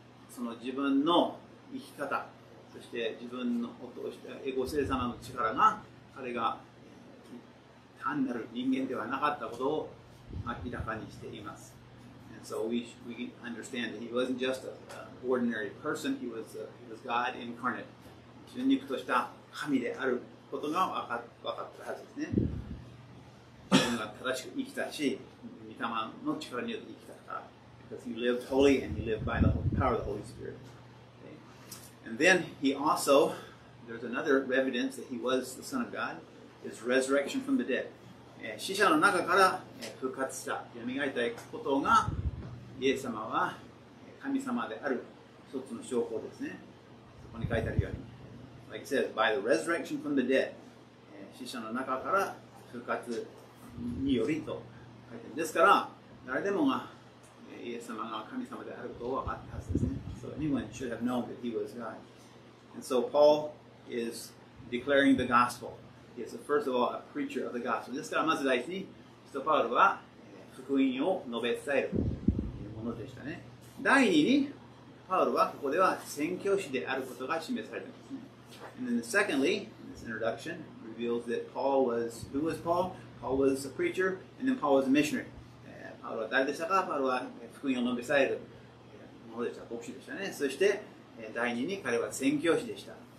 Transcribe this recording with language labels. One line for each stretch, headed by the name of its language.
Japanese: その自分の生き方、そして自分のお父さん、ご聖様の力が、彼が単なる人間ではなかったことを明らかにしています。
English: And so we understand that he wasn't just an ordinary person, he was God incarnate.
Japanese: 純肉とした神であることが分かったはずですね。自分が正しく生きたし、御霊の力によって生きたから。
English: Because he lived holy and he lived by the power of the Holy Spirit.、Okay. And then he also, there's another evidence that he was the Son of God, his resurrection from the dead.
Japanese: 死者の中から復活した、蘇ったことが、イエス様は神様である一つの証拠ですね。そこに書いてあるように。
English: Like it says, by the resurrection from the dead,
Japanese: 死者の中から復活によりと書いてですから誰でもがイエス様が神様であることを分かったはずですね。
English: So anyone should have known that he was God. And so Paul is declaring the gospel. He is first of all a preacher of the gospel.
Japanese: ですからまず第一に使徒パウロは福音を述べ伝えるというものでしたね。第二にパウロはここでは宣教師であることが示されていますね。
English: And then secondly, this introduction reveals that Paul was, who was Paul? Paul was a preacher, and then Paul was a missionary.
Japanese: Paul は誰でしたか?Paul は福音を述べ伝えるものでした。牧師でしたね。そして、第二に彼は宣教師でした。